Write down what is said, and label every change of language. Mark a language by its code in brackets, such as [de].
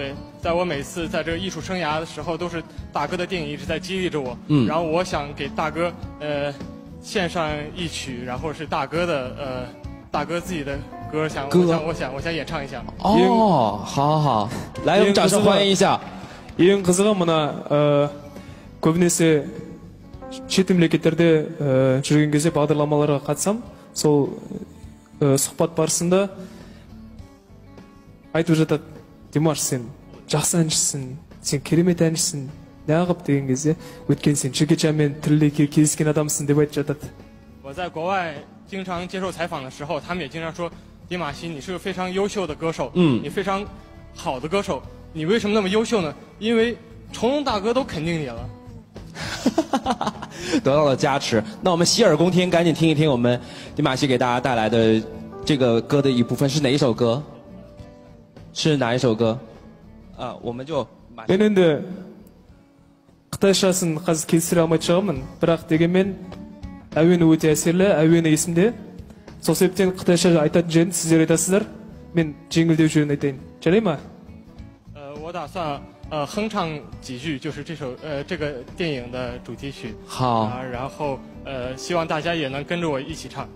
[zh] 后对，在我每次在这个艺术生涯的时候，都是大哥的电影一直在激励着我。然后我想给大哥献上一曲，然后是大哥的大哥自己的歌，我想演唱一下。哦，好好好，来，我们掌声欢迎一下。 [kk] ең қызығы мына көбінесе шет мемлекеттерде жүрген кезде бағдарламаларға қатысам, сол сұхбат барысында айтып жатады: Димаш, сен жақсы әншісің, сен керемет әншісің, неғып деген кезде, өткен сен Чекечамен тірілей кездескен адамсың деп айтып жатады. [zh] 我在国外经常接受采访的时候，他们也经常说，迪玛西，你是个非常优秀的歌手，你非常好的歌手，你为什么那么优秀呢？因为成龙大哥都肯定你了，得到了加持。那我们洗耳恭听，赶紧听一听我们迪玛西给大家带来的这个歌的一部分是哪一首歌？是哪一首歌？我们就别的， [kk] қытайшасын қазір келісіре алмай шығамын, бірақ дегенмен әуені өте әсерлі, әуені есімде. Сол себептен қытайша айтатын жерін сіздер айтасыздар, мен жеңілдеу жерін айтайын. Жарай ма? [zh] Ә, 我打算哼唱几句，就是这个电影的主题曲。好。然后希望大家也能跟着我一起唱。